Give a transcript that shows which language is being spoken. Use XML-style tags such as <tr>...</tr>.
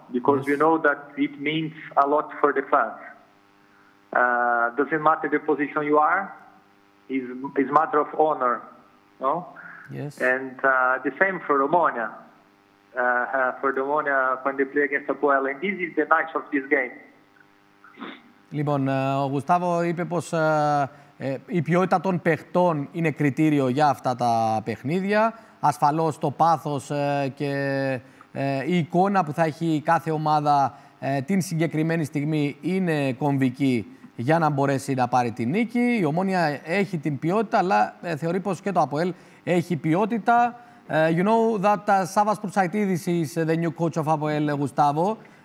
<en>Because we know that it means a lot for the fans. Doesn't matter the position you are, it's a matter of honor, you know? Yes. And the same for Omonia. For the Omonia when they play against ApoEl, and this is the nice of this game.</en> <el>Λοιπόν, ο Γουστάβο είπε πως η ποιότητα των παιχτών είναι κριτήριο για αυτά τα παιχνίδια. Ασφαλώς το πάθος και η εικόνα που θα έχει κάθε ομάδα την συγκεκριμένη στιγμή είναι κομβική για να μπορέσει να πάρει την νίκη. Η Ομόνια έχει την ποιότητα, αλλά θεωρεί πως και το ΑΠΟΕΛ έχει ποιότητα.</el> <en>You know that Savas Proutsaitidis is the new coach of ApoEl, Gustavo.</en>